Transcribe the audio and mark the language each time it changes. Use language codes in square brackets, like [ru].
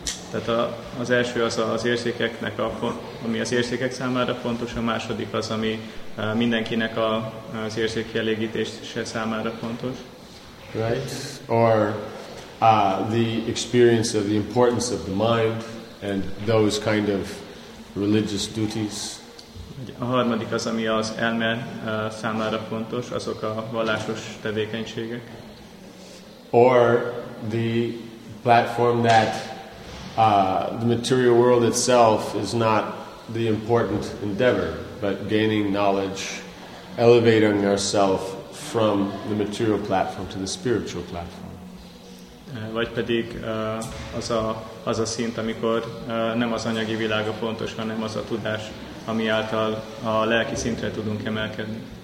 [hu] Tehát az első az érzékeknek ami az érzékek számára fontos, a második az, ami mindenkinek az érzékkielégítése számára fontos. [en] Right? Or the experience of the importance of the mind and those kind of religious duties. [hu] A harmadik az, ami az elme számára fontos, azok a vallásos tevékenységek. [en] Or the platform that the material world itself is not the important endeavor, but gaining knowledge, elevating ourselves from the material platform to the spiritual platform. [hu] Vagy pedig az a szint, amikor nem az anyagi világ a fontos, hanem az a tudás, ami által a lelki szintre tudunk emelkedni.